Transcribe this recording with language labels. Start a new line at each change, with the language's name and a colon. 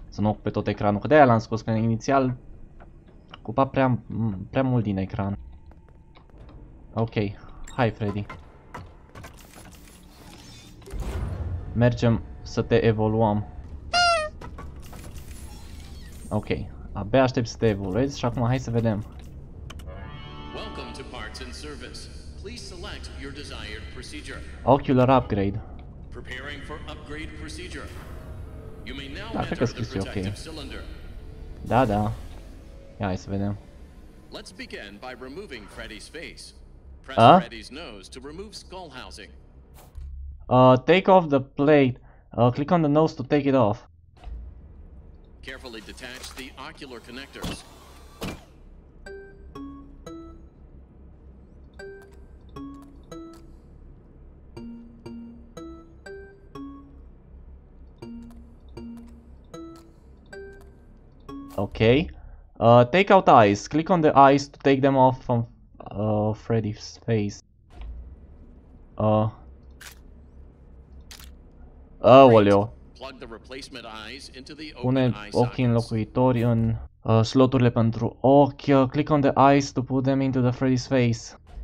Romanian: Să nu ocupe tot ecranul, că de-aia l-am scos, că inițial... Ocupa prea mult din ecran. Ok, hai Freddy. Mergem să te evoluăm. Ok, abia aștept să te evoluezi și acum hai să vedem.
English: Welcome to parts and service. Please select your desired procedure. Ocular upgrade. Preparing for upgrade procedure. You may now enter the protective cylinder.
Romanian: Da, da. Ia, hai să vedem.
English: Let's begin by removing Freddy's face. Press Freddy's nose to remove skull housing. Take off the plate. Click on the nose to take it off. Carefully detach the ocular connectors. Okay. Take out eyes. Click on the eyes to take them off from Freddy's face.
Romanian: Aoleo.
English: Plug the replacement eyes into the open.
Romanian: Pune ochii înlocuitori în sloturile pentru ochi.
English: Click on the eyes to put them into the Freddy's face.